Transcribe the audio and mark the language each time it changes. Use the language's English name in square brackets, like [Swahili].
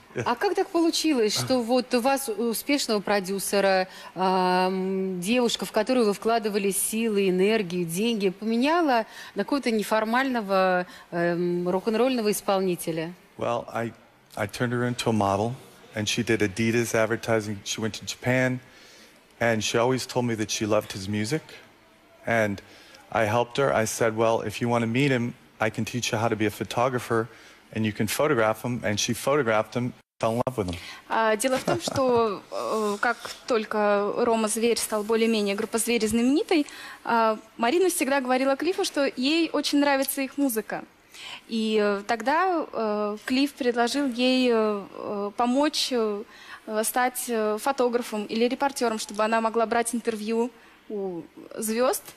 [Russian] А как так получилось, что вот у вас успешного продюсера, девушка, в которую вы вкладывали силы, энергию, деньги, поменяла на какого-то неформального рок-н-ролльного исполнителя? [English] Well, I turned her into a model, and she did Adidas advertising. She went to Japan, and she always told me that she loved his music. And I helped her. I said, well, if you want to meet him, I can teach you how to be a photographer. And you can photograph him, and she photographed him, fell in love with him. [Russian] Дело в том, что как только Рома Зверь стал более-менее группа Звери знаменитой, Марина всегда говорила Клиффу, что ей очень нравится их музыка. И тогда Клифф предложил ей помочь стать фотографом или репортером, чтобы она могла брать интервью у звезд.